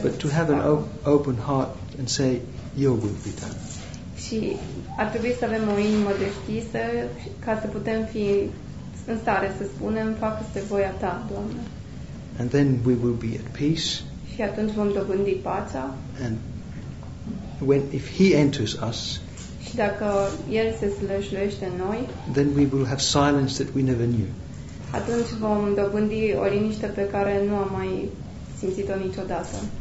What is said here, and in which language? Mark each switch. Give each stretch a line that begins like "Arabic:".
English: But to have an open heart and say, "Your will be done."
Romanian: Și ar trebui să avem o inimă deschisă ca să putem fi în stare să spunem, "Facă-se voia ta, Doamne."
English: And then we will be at peace.
Romanian: Și atunci vom dobândi pacea.
English: And when if he enters us,
Romanian: și dacă el se slăjluiește în noi,
English: then we will have silence that we never knew.
Romanian: Atunci vom dobândi o liniște pe care nu am mai simțit-o niciodată.